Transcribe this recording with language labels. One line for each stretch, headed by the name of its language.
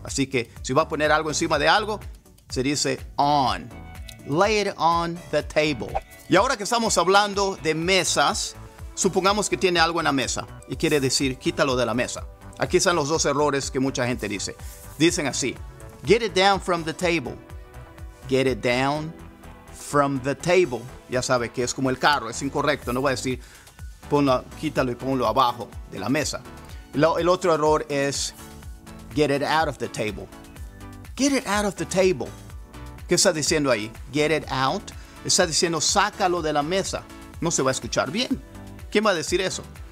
Spanish: Así que si va a poner algo encima de algo, se dice on.
English: Lay it on the table.
Spanish: Y ahora que estamos hablando de mesas, supongamos que tiene algo en la mesa y quiere decir quítalo de la mesa. Aquí están los dos errores que mucha gente dice. Dicen así,
English: get it down from the table. Get it down from the table.
Spanish: Ya sabe que es como el carro, es incorrecto. No voy a decir, quítalo y ponlo abajo de la mesa. El otro error es,
English: get it out of the table. Get it out of the table.
Spanish: ¿Qué está diciendo ahí?
English: Get it out.
Spanish: Está diciendo, sácalo de la mesa. No se va a escuchar bien. ¿Quién va a decir eso?